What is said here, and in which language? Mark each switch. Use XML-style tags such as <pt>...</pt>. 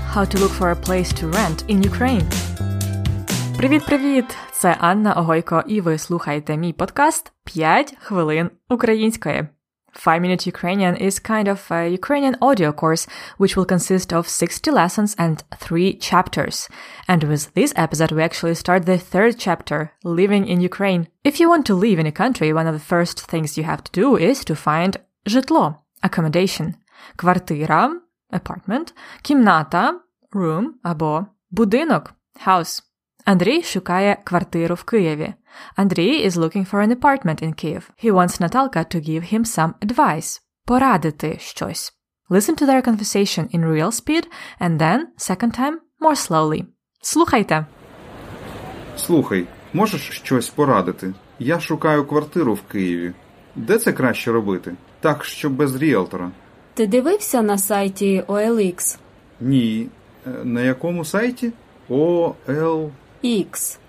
<en>How to look for a place to rent in Ukraine.</en> <uk>Привіт-привіт! Це Анна Огойко, і ви слухаєте мій подкаст «5 хвилин української».</uk> <en>5 Minute Ukrainian is kind of a Ukrainian audio course, which will consist of 60 lessons and 3 chapters. And with this episode, we actually start the third chapter, Living in Ukraine. If you want to live in a country, one of the first things you have to do is to find житло, accommodation.</en> <uk>Квартира – apartment, кімната – room, або будинок – house. Андрій шукає квартиру в Києві.</uk> <en>Андрій is looking for an apartment in Kyiv. He wants Natalka to give him some advice –</en> <uk>порадити щось.</uk> <en>Listen to their conversation in real speed, and then, second time, more slowly.</en> <uk>Слухайте! Слухай, можеш щось порадити? Я шукаю квартиру в Києві. Де це краще робити? Так, щоб без ріелтора. Ти дивився на сайті OLX? Ні. На якому сайті? OLX.</uk>